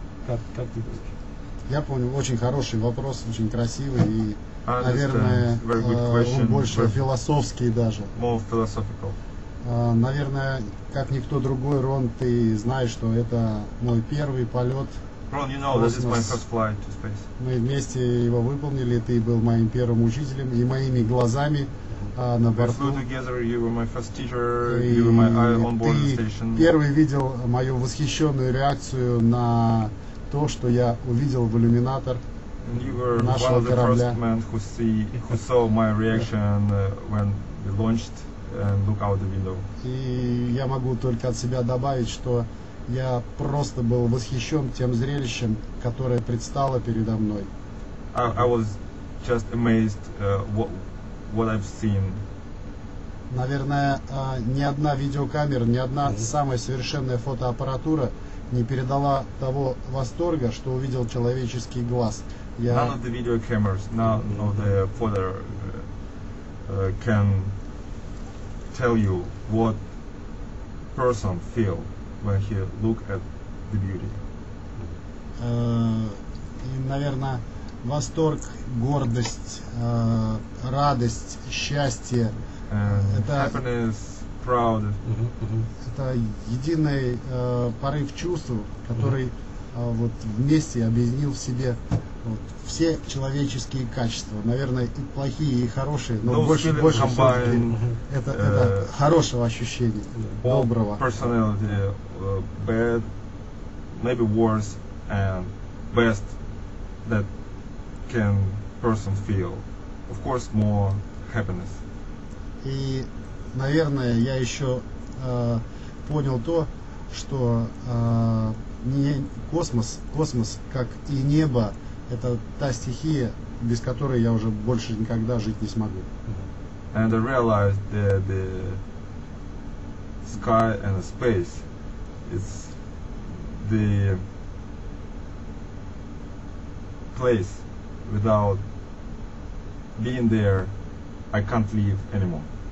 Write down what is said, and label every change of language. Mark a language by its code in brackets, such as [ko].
[ru] Как ты думаешь? Я понял, очень хороший вопрос, очень красивый и, наверное, больше философский даже. [en] More philosophical. [ru] Наверное, как никто другой, Рон, ты знаешь, что это мой первый полет. [en] Рон, you know, this is my first flight to space. [ru] Мы вместе его выполнили, ты был моим первым учителем и моими глазами на борту. [en] We flew together, you were my first teacher, you were my onboard station. [ru] Ты первый видел мою восхищенную реакцию на то, что я увидел в иллюминатор нашего корабля. [en] And you were one of the first men who saw my reaction when we launched. And look out the window. [ru] И я могу только от себя добавить, что я просто был восхищен тем зрелищем, которое предстало передо мной. [en] I was just amazed what I've seen. [ru] Наверное, ни одна видеокамера, ни одна mm-hmm. самая совершенная фотоаппаратура не передала того восторга, что увидел человеческий глаз. [en] None of the video cameras, none of the photo can tell you what person feel when he look at the beauty. [ru] И, наверное, восторг, гордость, радость, счастье. Это [en] happiness, proud. [ru] Это единый порыв чувств, который вот вместе объединил в себе вот все человеческие качества, наверное, и плохие, и хорошие, но больше [en] combined, [ru] это хорошего ощущения, доброго. [en] Personality, bad, maybe worse, and best that can person feel. Of course, more happiness. [ru] И, наверное, я еще понял то, что не космос, как и небо, это та стихия, без которой я уже больше никогда жить не смогу. [en] And I realized that the sky and the space is the place without being there, I can't live anymore.